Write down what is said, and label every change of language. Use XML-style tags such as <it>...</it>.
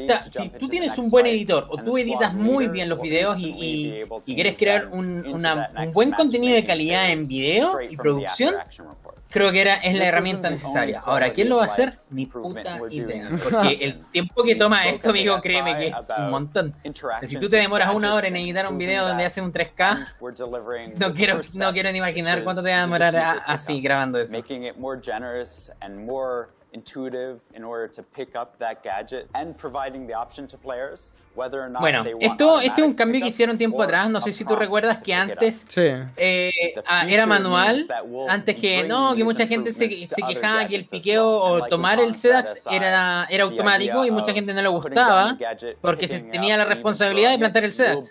<es>Si tú tienes un buen editor o tú editas muy bien los videos y quieres crear un buen contenido de calidad en video y producción, creo que era es la herramienta necesaria. Ahora, ¿quién lo va a hacer? Ni puta idea. Porque el tiempo que toma esto, amigo, créeme que es un montón. Si tú te demoras una hora en editar un video donde hace un 3K, no quiero ni imaginar cuánto te va a demorar así grabando eso.</es> <en>Making it more generous and more intuitive in order to pick up that gadget and providing the option to players.</en> <es>Bueno, este es un cambio que hicieron tiempo atrás. No sé si tú recuerdas que antes era manual. Antes que mucha gente se quejaba que el piqueo o tomar el SEDAX era automático y mucha gente no le gustaba porque se tenía la responsabilidad de plantar el SEDAX.</es>